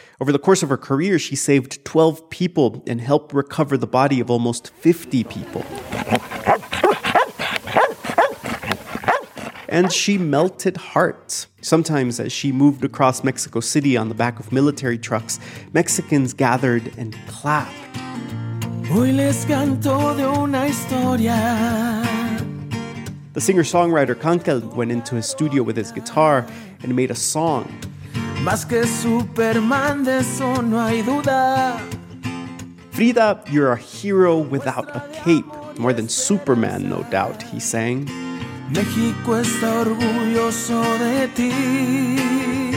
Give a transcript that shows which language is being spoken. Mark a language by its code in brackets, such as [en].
[en] Over the course of her career, she saved 12 people and helped recover the body of almost 50 people. And she melted hearts. Sometimes, as she moved across Mexico City on the back of military trucks, Mexicans gathered and clapped. [es] Hoy les canto de una historia. [en] The singer-songwriter Cancel went into his studio with his guitar and made a song. [es] Más que Superman, de eso no hay duda. [en] Frida, you're a hero without a cape. More than Superman, no doubt, he sang. [es] México está orgulloso de ti.